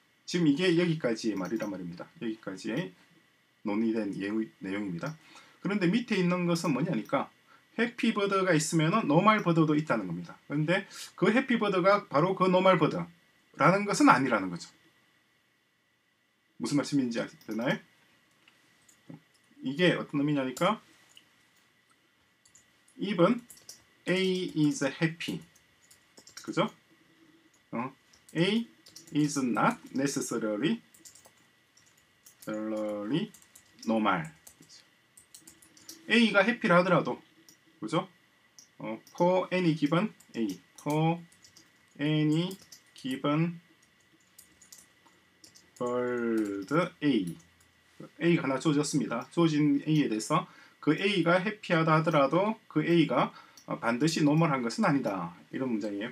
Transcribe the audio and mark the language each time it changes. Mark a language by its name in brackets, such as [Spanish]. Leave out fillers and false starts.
[Korean] 지금 이게 여기까지의 말이란 말입니다. 여기까지의 논의된 내용입니다. 그런데 밑에 있는 것은 뭐냐니까 해피 버드가 있으면 노멀 버드도 있다는 겁니다. 그런데 그 해피 버드가 바로 그 노멀 버드라는 것은 아니라는 거죠. 무슨 말씀인지 아시나요? 이게 어떤 의미냐니까 [English] Even A is happy. [Korean] 그죠? [English] A is not necessarily normal. [Korean] A가 happy라 하더라도, 그죠? [English] For any given A, for any given bird A. [Korean] A가 하나 주어졌습니다. 주어진 A에 대해서 그 A가 happy하다 하더라도 그 A가 반드시 normal한 것은 아니다. 이런 문장이에요.